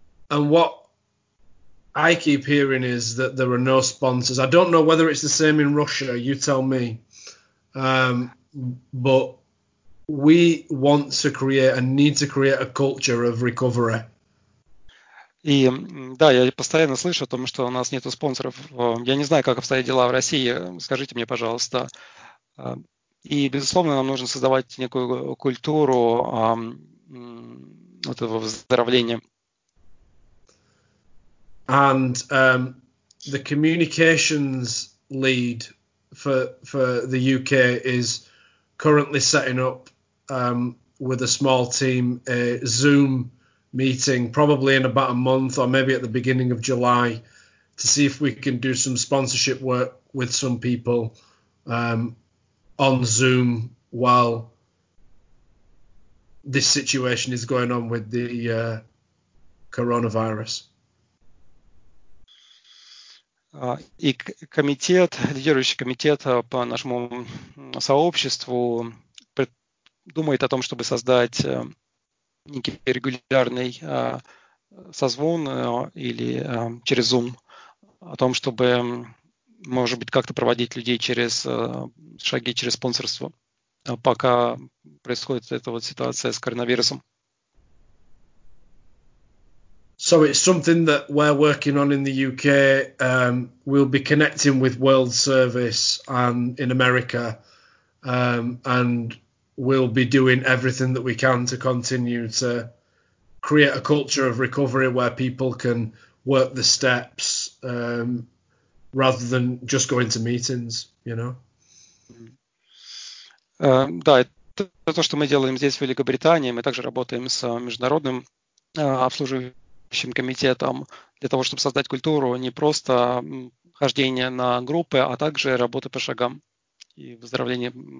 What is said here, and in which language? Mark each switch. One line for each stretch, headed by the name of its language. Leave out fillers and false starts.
English: And what I keep hearing is that there are no sponsors. I don't know whether it's the same in Russia. You tell me. But we want to create and need to create a culture of recovery.
Russian: И да, я постоянно слышу о том, что у нас нету спонсоров. Я не знаю, как обстоят дела в России. Скажите мне, пожалуйста. И безусловно, нам нужно создавать некую культуру этого выздоровления.
English: And the communications lead for the UK is currently setting up with a small team a Zoom meeting, probably in about a month or maybe at the beginning of July, to see if we can do some sponsorship work with some people on Zoom while this situation is going on with the coronavirus.
Russian: И комитет, лидирующий комитет по нашему сообществу думает о том, чтобы создать некий регулярный созвон или через Zoom, о том, чтобы, может быть, как-то проводить людей через шаги, через спонсорство, пока происходит эта вот ситуация с коронавирусом.
English: So it's something that we're working on in the UK. We'll be connecting with World Service and in America, and we'll be doing everything that we can to continue to create a culture of recovery where people can work the steps rather than just going to meetings, you know?
Russian: Да, это то, что мы делаем здесь, в Великобритании. Мы также работаем с международным обслуживанием. Комитетом для того, чтобы создать культуру не просто хождения на группы, а также работы по шагам и выздоровления.